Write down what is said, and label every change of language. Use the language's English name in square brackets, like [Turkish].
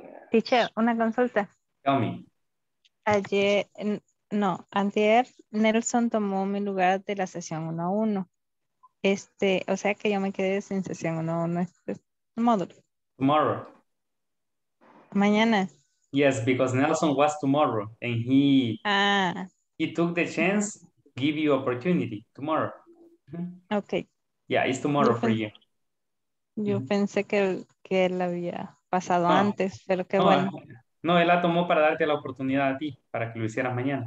[Spanish] Teacher, una consulta. [English] Tell me. [Spanish] Antier Nelson tomó mi lugar de la sesión 1-1. O sea que yo me quedé sin sesión 1-1. Este es el módulo. [English] Tomorrow. [Spanish] Mañana. [English] Yes, because Nelson was tomorrow and he took the chance, give you opportunity tomorrow. Okay. Yeah, it's tomorrow for you. [Spanish] Yo pensé que él había pasado antes, pero qué bueno. No, él la tomó para darte la oportunidad a ti, para que lo hicieras mañana.